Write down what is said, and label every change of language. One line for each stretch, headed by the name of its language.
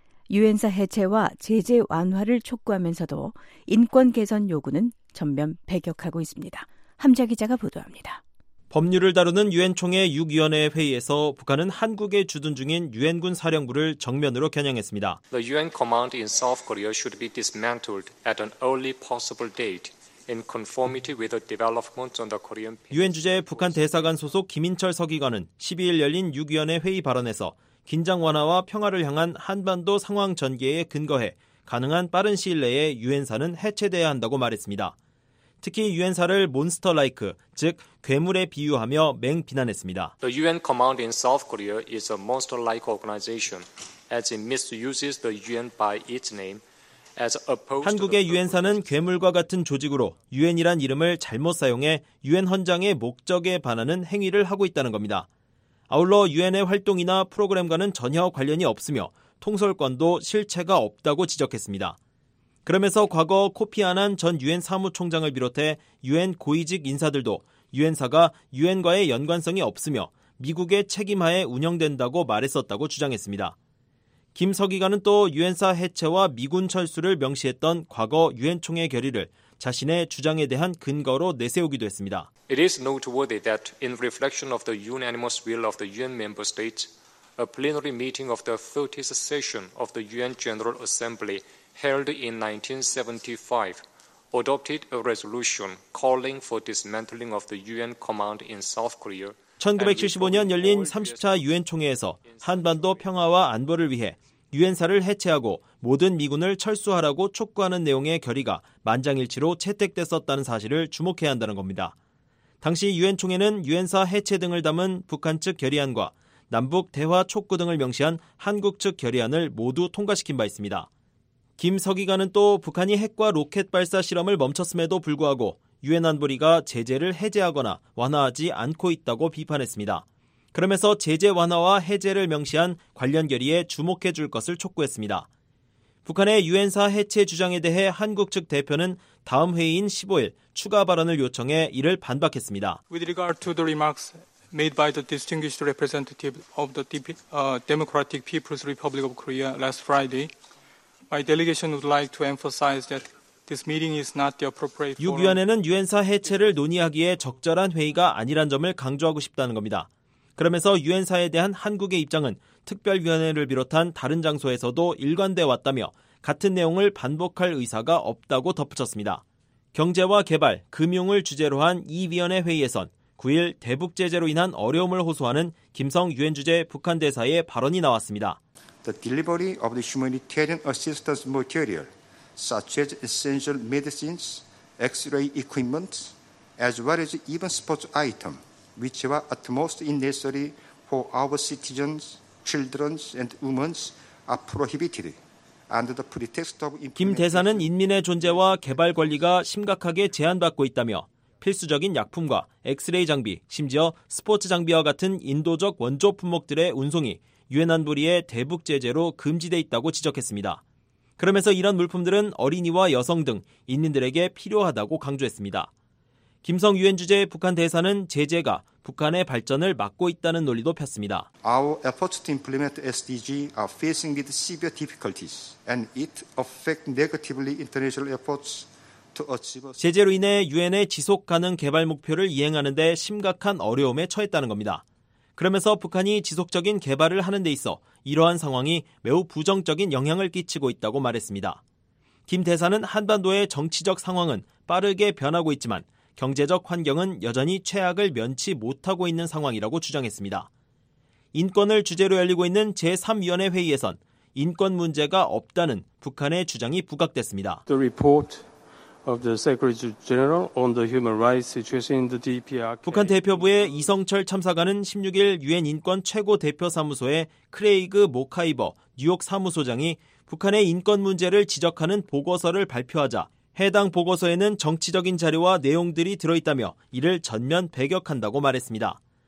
Korean: 유엔사 해체와 제재 완화를 촉구하면서도 인권 개선 요구는 전면 배격하고 있습니다. 함자 기자가 보도합니다. 법률을 다루는 유엔 총회 6위원회 회의에서 북한은 한국에 주둔 중인 유엔군 사령부를 정면으로 겨냥했습니다.
English: The UN command in South Korea should be dismantled at an early possible date in conformity with the development on the Korean.
Korean: 유엔 주재 북한 대사관 소속 김인철 서기관은 12일 열린 6위원회 회의 발언에서 긴장 완화와 평화를 향한 한반도 상황 전개에 근거해 가능한 빠른 시일 내에 유엔사는 해체돼야 한다고 말했습니다. 특히 유엔사를 몬스터 라이크, 즉 괴물에 비유하며 맹비난했습니다.
English: The UN command in South Korea is a monster-like organization as it misuses the UN by its name.
Korean: 한국의 유엔사는 괴물과 같은 조직으로 유엔이란 이름을 잘못 사용해 유엔 헌장의 목적에 반하는 행위를 하고 있다는 겁니다. 아울러 유엔의 활동이나 프로그램과는 전혀 관련이 없으며 통솔권도 실체가 없다고 지적했습니다. 그러면서 과거 코피 아난 전 유엔 사무총장을 비롯해 유엔 고위직 인사들도 유엔사가 유엔과의 연관성이 없으며 미국의 책임하에 운영된다고 말했었다고 주장했습니다. 김 서기관은 또 유엔사 해체와 미군 철수를 명시했던 과거 유엔 총회 결의를 자신의 주장에 대한 근거로 내세우기도 했습니다.
English: It is noteworthy that in reflection of the unanimous will of the UN member states, a plenary meeting of the 30th session of the UN General Assembly held in 1975 adopted a resolution calling for dismantling of the UN command in South Korea.
Korean: 1975년 열린 30차 유엔 총회에서 한반도 평화와 안보를 위해 유엔사를 해체하고 모든 미군을 철수하라고 촉구하는 내용의 결의가 만장일치로 채택됐었다는 사실을 주목해야 한다는 겁니다. 당시 유엔 총회는 유엔사 해체 등을 담은 북한 측 결의안과 남북 대화 촉구 등을 명시한 한국 측 결의안을 모두 통과시킨 바 있습니다. 김 서기관은 또 북한이 핵과 로켓 발사 실험을 멈췄음에도 불구하고 유엔 안보리가 제재를 해제하거나 완화하지 않고 있다고 비판했습니다. 그러면서 제재 완화와 해제를 명시한 관련 결의에 주목해 줄 것을 촉구했습니다. 북한의 유엔사 해체 주장에 대해 한국 측 대표는 다음 회의인 15일 추가 발언을 요청해 이를 반박했습니다.
English: With regard to the remarks made by the distinguished representative of the Democratic People's Republic of Korea last Friday, my delegation would like to emphasize that this meeting is not the appropriate forum.
Korean: 6위원회는 유엔사 해체를 논의하기에 적절한 회의가 아니란 점을 강조하고 싶다는 겁니다. 그러면서 유엔사에 대한 한국의 입장은 특별위원회를 비롯한 다른 장소에서도 일관돼 왔다며 같은 내용을 반복할 의사가 없다고 덧붙였습니다. 경제와 개발, 금융을 주제로 한 이 위원회 회의에선 9일 대북 제재로 인한 어려움을 호소하는 김성 유엔 주재 북한 대사의 발언이 나왔습니다.
English: The delivery of the humanitarian assistance material such as essential medicines, x-ray equipment, as well as even sports items, which are at most necessary for our citizens, children and women, are prohibited under the pretext of implementation.
Korean: 김 대사는 인민의 존재와 개발 권리가 심각하게 제한받고 있다며 필수적인 약품과 x-ray 장비, 심지어 스포츠 장비와 같은 인도적 원조 품목들의 운송이 유엔 안보리의 대북 제재로 금지돼 있다고 지적했습니다. 그러면서 이런 물품들은 어린이와 여성 등 인민들에게 필요하다고 강조했습니다. 김성 유엔 주재 북한 대사는 제재가 북한의 발전을 막고 있다는 논리도 폈습니다.
English: Our efforts to implement SDG are facing with severe difficulties and it affects negatively international efforts to achieve.
Korean: 제재로 인해 유엔의 지속 가능 개발 목표를 이행하는 데 심각한 어려움에 처했다는 겁니다. 그러면서 북한이 지속적인 개발을 하는 데 있어 이러한 상황이 매우 부정적인 영향을 끼치고 있다고 말했습니다. 김 대사는 한반도의 정치적 상황은 빠르게 변하고 있지만 경제적 환경은 여전히 최악을 면치 못하고 있는 상황이라고 주장했습니다. 인권을 주제로 열리고 있는 제3위원회 회의에선 인권 문제가 없다는 북한의 주장이 부각됐습니다.
English: The report of the Secretary General on the human rights situation in the DPRK.
Korean: 북한 대표부의 이성철 참사관은 16일 유엔 인권 최고 대표사무소의 크레이그 모카이버 뉴욕 사무소장이 북한의 인권 문제를 지적하는 보고서를 발표하자 해당 보고서에는 정치적인 자료와 내용들이 들어있다며 이를 전면 배격한다고 말했습니다.